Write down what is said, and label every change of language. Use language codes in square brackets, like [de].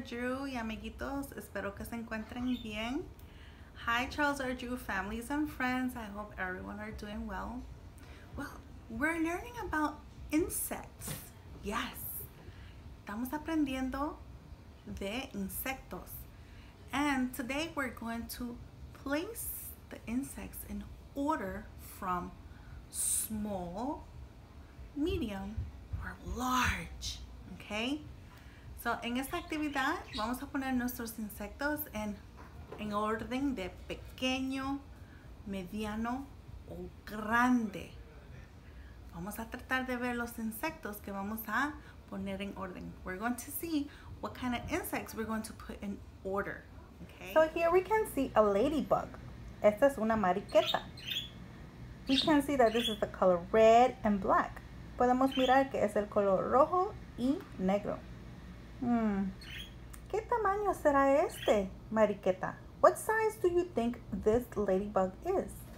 [es] Drew y amiguitos, espero que se encuentren bien. [en] Hi Charles R. Drew families and friends, I hope everyone are doing well. Well, we're learning about insects. Yes, [es] estamos aprendiendo de insectos. [en] And today we're going to place the insects in order from small, medium, or large, okay? [es] So, en esta actividad, vamos a poner nuestros insectos en orden de pequeño, mediano o grande. Vamos a tratar de ver los insectos que vamos a poner en orden. [en] We're going to see what kind of insects we're going to put in order. Okay? So, here we can see a ladybug. [es] Esta es una mariquita. [en] We can see that this is the color red and black. [es] Podemos mirar que es el color rojo y negro. ¿Qué tamaño será este, mariqueta? [en] What size do you think this ladybug is?